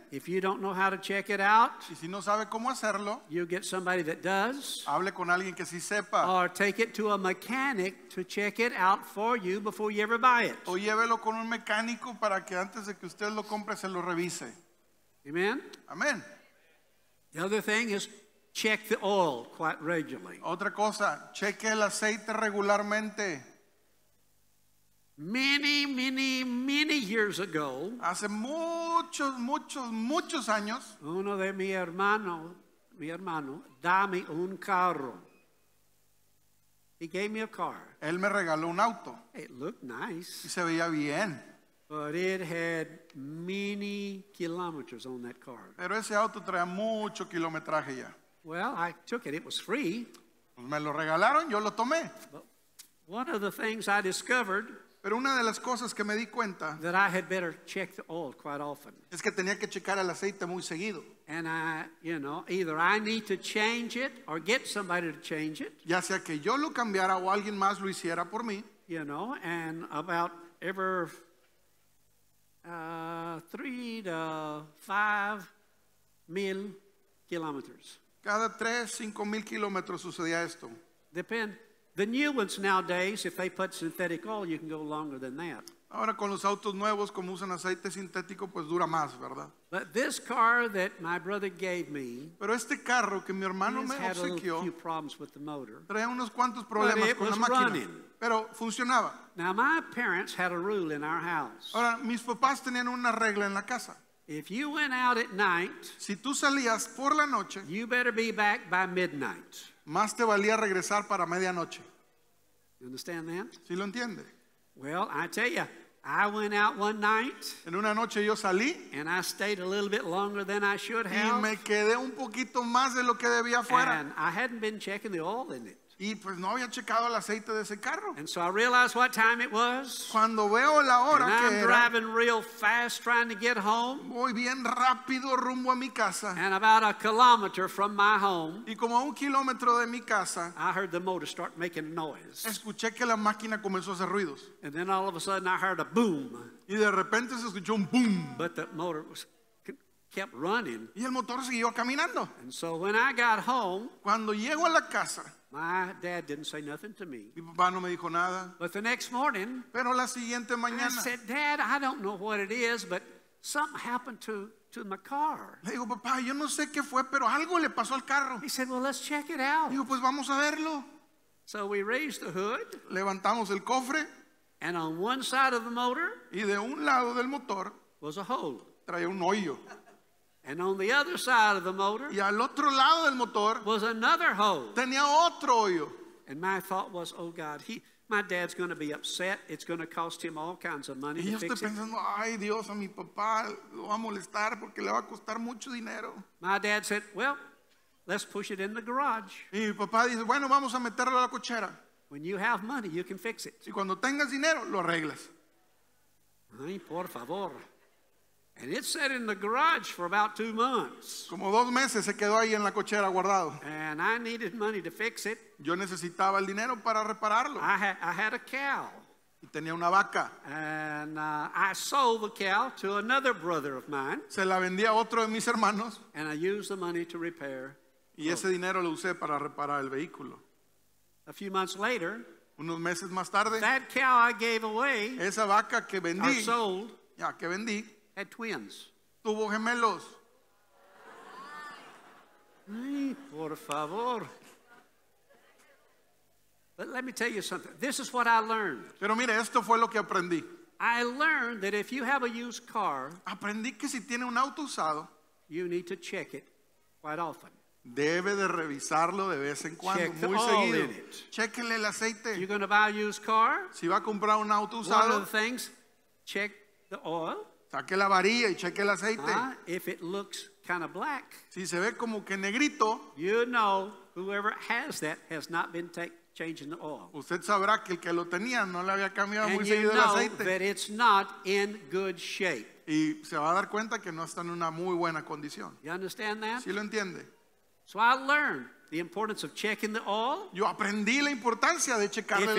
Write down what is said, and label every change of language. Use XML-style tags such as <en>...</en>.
<en>If you don't know how to check it out,</en> <es>y si no sabe cómo hacerlo,</es> <en>you get somebody that does.</en> <es>Hable con alguien que sí sepa.</es> <en>Or take it to a mechanic to check it out for you before you ever buy it.</en> <es>O llévelo con un mecánico para que antes de que usted lo compre se lo revise.</es> <en>Amen.</en> <es>Amen.</es> <en>The other thing is check the oil quite regularly.</en> <es>Otra cosa, cheque el aceite regularmente.</es> <en>Many, many, many years ago,</en> <es>hace muchos, muchos, muchos años, uno de mi hermano, dame un carro.</es> <en>He gave me a car.</en> <es>Él me regaló un auto.</es> <en>It looked nice.</en> <es>Y se veía bien.</es> <en>But it had many kilometers on that car.</en> <es>Pero ese auto traía mucho kilometraje ya.</es> <en>Well, I took it. It was free.</en> <es>Pues me lo regalaron, yo lo tomé.</es> <en>But one of the things I discovered,</en> <es>pero una de las cosas que me di cuenta,</es> <en>that I had better check the oil quite often.</en> <es>Es que tenía que checar el aceite muy seguido.</es> <en>And I, you know, either I need to change it or get somebody to change it.</en> <es>Ya sea que yo lo cambiara o alguien más lo hiciera por mí.</es> <en>You know, and about ever 3 to 5 mil kilometers.</en> <es>Cada 3-5 mil kilómetros sucedía esto.</es> <en>Depend. The new ones nowadays, if they put synthetic oil, you can go longer than that.</en> <es>Ahora con los autos nuevos, como usan aceite sintético, pues dura más, ¿verdad?</es> <en>But this car that my brother gave me,</en> <es>pero este carro que mi hermano me obsequió,</es> <en>had a few problems with the motor.</en> <es>Traía unos cuantos problemas</es> <en>but it</en> <es>con</es> <en>was</en> <es>la máquina.</es> <en>Running.</en> <es>Pero funcionaba.</es> <en>Now my parents had a rule in our house.</en> <es>Ahora mis papás tenían una regla en la casa.</es> <en>If you went out at night,</en> <es>si tú salías por la noche,</es> <en>you better be back by midnight.</en> <es>Más te valía regresar para medianoche.</es> <en>You understand that?</en> <es>¿Sí lo entiende?</es> <en>Well, I tell you, I went out one night.</en> <es>En una noche yo salí.</es> <en>And I stayed a little bit longer than I should have.</en> <es>Y me quedé un poquito más de lo que debía fuera.</es> <en>And I hadn't been checking the oil in it.</en> <es>Y pues no había checado el aceite de ese carro.</es> <en>And so I realized what time it was.</en> <es>Cuando veo la hora</es> <en>and</en> <es>que</es> <en>I'm</en> <es>era.</es> <en>Driving real fast trying to get home.</en> <es>Voy bien rápido rumbo a mi casa.</es> <en>And about a kilometer from my home.</en> <es>Y como a un kilómetro de mi casa.</es> <en>I heard the motor start making noise.</en> <es>Escuché que la máquina comenzó a hacer ruidos.</es> <en>And then all of a sudden I heard a boom.</en> <es>Y de repente se escuchó un boom.</es> <en>But the motor was kept running.</en> <es>Y el motor siguió caminando.</es> <en>And so when I got home.</en> <es>Cuando llego a la casa.</es> <en>My dad didn't say nothing to me.</en> <es>Mi papá no me dijo nada.</es> <en>But the next morning,</en> <es>pero la siguiente mañana,</es> <en>I said, "Dad, I don't know what it is, but something happened to my car."</en> <es>Le digo, papá, yo no sé qué fue, pero algo le pasó al carro.</es> <en>He said, "Well, let's check it out."</en> <es>Digo, pues vamos a verlo.</es> <en>So we raised the hood.</en> <es>Levantamos el cofre.</es> <en>And on one side of the motor,</en> <es>y de un lado del motor,</es> <en>was a hole.</en> <es>Traía un hoyo.</es> <en>And on the other side of the motor,</en> <es>y al otro lado del motor,</es> <en>was another hole.</en> <es>Tenía otro hoyo.</es> <en>And my thought was, "Oh God, my dad's going to be upset. It's going to cost him all kinds of money</en> <es>y</es> <en>to fix</en> <es>pensando,</es> <en>it."</en> <es>Ay Dios, a mi papá lo va a molestar porque le va a costar mucho dinero.</es> <en>My dad said, "Well, let's push it in the garage."</en> <es>Y mi papá dice, bueno, vamos a meterlo a la cochera.</es> <en>When you have money, you can fix it.</en> <es>Y cuando tengas dinero, lo arreglas. Ay, por favor.</es> <en>And it sat in the garage for about 2 months.</en> <es>Como 2 meses se quedó ahí en la cochera guardado.</es> <en>And I needed money to fix it.</en> <es>Yo necesitaba el dinero para repararlo.</es> <en>I had a cow.</en> <es>Y tenía una vaca.</es> <en>And I sold the cow to another brother of mine.</en> <es>Se la vendí a otro de mis hermanos.</es> <en>And I used the money to repair.</en> <es>Y ese dinero lo usé para reparar el vehículo.</es> <en>A few months later.</en> <es>Unos meses más tarde.</es> <en>That cow I gave away.</en> <es>Esa vaca que vendí.</es> <en>I sold.</en> <es>Ya que vendí.</es> <en>Had twins.</en> <es>Tuvo gemelos. Ay, por favor.</es> <en>But let me tell you something. This is what I learned.</en> <es>Pero mire, esto fue lo que aprendí.</es> <en>I learned that if you have a used car,</en> <es>aprendí que si tiene un auto usado,</es> <en>you need to check it quite often.</en> <es>Debe de revisarlo de vez en cuando,</es> <en>check</en> <es>muy seguido.</es> <en>Oil in it.</en> <es>Chequenle el aceite.</es> <en>You're going to buy a used car?</en> <es>Si va a comprar un auto usado,</es> <en>one of the things, check the oil.</en> <es>Saque la varilla y cheque el aceite.</es> <en>If it looks kind of black,</en> <es>si se ve como que negrito,</es> <en>you know whoever has that has not been taken. Changing the oil.</en> <es>Usted sabrá que el que lo tenía no le había cambiado</es> <en>and</en> <es>muy seguido el aceite.</es> <en>That it's not in good shape.</en> <es>Y se va a dar cuenta que no está en una muy buena condición.</es> <en>You understand that?</en> <es>¿Sí lo entiende?</es> <en>So I learned the importance of checking the oil.</en> <es>Yo aprendí la importancia de checar el aceite.</es>